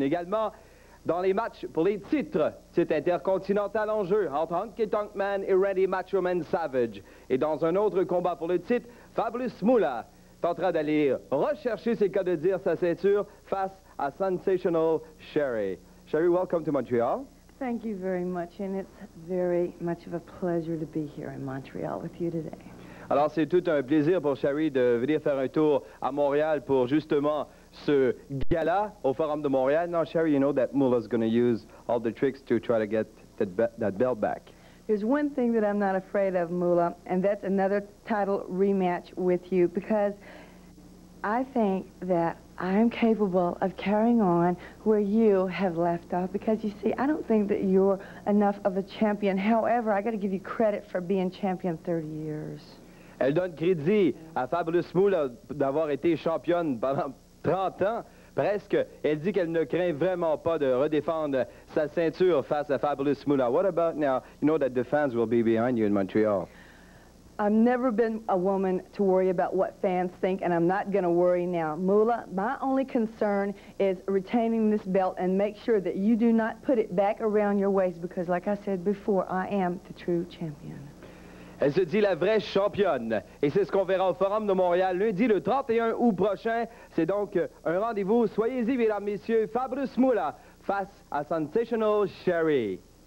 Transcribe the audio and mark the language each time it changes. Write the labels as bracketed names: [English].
[French] Également dans les matchs pour les titres, c'est intercontinental en jeu entre Honky Tonk Man et Randy Macho Man Savage. Et dans un autre combat pour le titre, Fabulous Moolah tentera d'aller rechercher, c'est le cas de dire, sa ceinture face à Sensational Sherry. [English] Sherry, welcome to Montreal. Thank you very much, and it's very much of a pleasure to be here in Montreal with you today. [French] Alors, c'est tout un plaisir pour Sherry de venir faire un tour à Montréal pour justement ce gala au Forum de Montréal. [English] Now, Sherry, you know that Moolah's going to use all the tricks to try to get that belt back. There's one thing that I'm not afraid of, Moolah, and that's another title rematch with you, because I think that I'm capable of carrying on where you have left off, because you see, I don't think that you're enough of a champion. However, I got to give you credit for being champion 30 years. [French] Elle donne crédit à Fabulous Moolah d'avoir été championne pendant 30 ans, presque. Elle dit qu'elle ne craint vraiment pas de redéfendre sa ceinture face à Fabulous Moolah. [English] What about now? You know that the fans will be behind you in Montreal. I've never been a woman to worry about what fans think, and I'm not going to worry now. Moolah, my only concern is retaining this belt and make sure that you do not put it back around your waist, because like I said before, I am the true champion. [French] Elle se dit la vraie championne, et c'est ce qu'on verra au Forum de Montréal lundi le 31 août prochain. C'est donc un rendez-vous. Soyez-y, mesdames, messieurs, Fabulous Moolah face à Sensational Sherry.